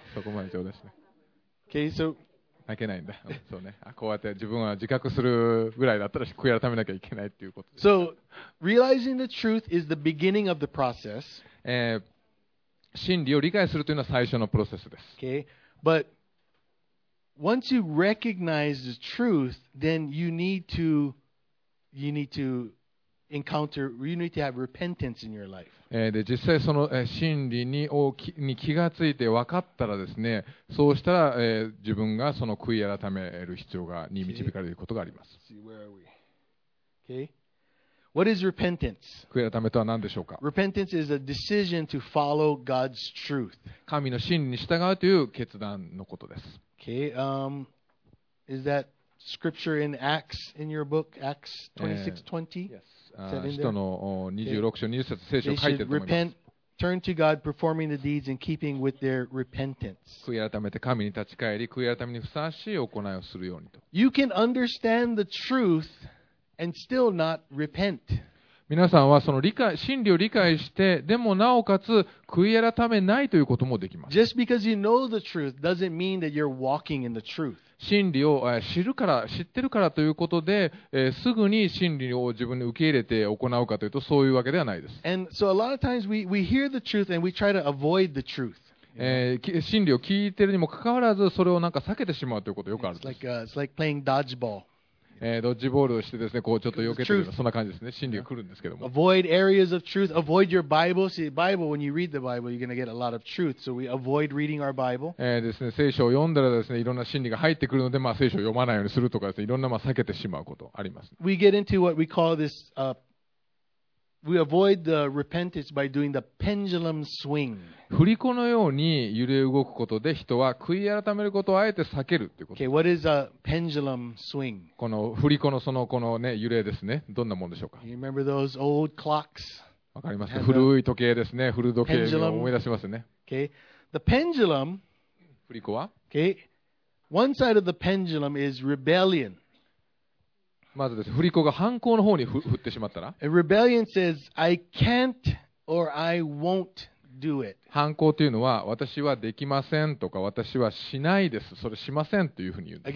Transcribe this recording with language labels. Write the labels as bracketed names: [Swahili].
[Japanese] そこまでちょうどですね。 [English] Okay, so. [Japanese] 泣けないんだ。そうね。こうやって自分は自覚するぐらいだったら悔い改めなきゃいけないっていうこと。 [English] So, realizing the truth is the beginning of the process. [Japanese] 真理を理解するというのは最初のプロセスです。 [English] Okay. But once you recognize the truth, then you need to encounter, you need to have repentance in your life. [Japanese] で実際その真理に気がついて分かったらですね、そうしたら自分がその悔い改める必要がに導かれることがあります。 [English] See, where are we? Okay. What is repentance? [Japanese] 悔い改めとは何でしょうか? [English] Repentance is a decision to follow God's truth. [Japanese] 神の真理に従うという決断のことです。 [English] Okay, is that scripture in Acts in your book, Acts 26:20? [Japanese] Yes. 使徒の26章20節、聖書を書いてると思います。 [English] They should repent, turn to God, performing the deeds in keeping with their repentance. [Japanese] 悔い改めて神に立ち返り、悔い改めにふさわしい行いをするようにと。 [English] You can understand the truth. And still not repent. [Japanese] 皆さんはその理解、真理を理解して、でもなおかつ悔い改めないということもできます。 [English] Just because you know the truth doesn't mean that you're walking in the truth. [Japanese] 真理を知るから、知ってるからということで、すぐに真理を自分に受け入れて行うかというと、そういうわけではないです。 [English] And so a lot of times we hear the truth and we try to avoid the truth. [Japanese] 真理を聞いてるにもかかわらず、それをなんか避けてしまうということよくあるんです。 [English] It's like playing dodgeball. [Japanese] ドッジボールをしてですね、こうちょっと避けてるような、そんな感じですね。真理が来るんですけども。 [English] Avoid areas of truth. Avoid your Bible. See, Bible, when you read the Bible, you're going to get a lot of truth. So we avoid reading our Bible. [Japanese] ですね、聖書を読んだらですね、いろんな真理が入ってくるので、まあ聖書を読まないようにするとかですね、いろんなまあ避けてしまうことあります、ね。 [English] We get into what we call this, we avoid the repentance by doing the pendulum swing. [Japanese] 振り子のように揺れ動くことで人は悔い改めることをあえて避けるということ。 [English] Okay, what is a pendulum swing? [Japanese] この振り子のこのね揺れですね。どんなものでしょうか。 [English] You remember those old clocks? [Japanese] わかりますか。古い時計ですね。古時計を思い出しますね。 [English] Okay, the pendulum. [Japanese] 振り子は [English] Okay, one side of the pendulum is rebellion. [Japanese] まずです。振り子が反抗の方に振ってしまったら。 [English] And rebellion says, I can't or I won't. [Japanese] 反抗というのは私はできませんとか私はしないですそれしませんというふうに言うんです。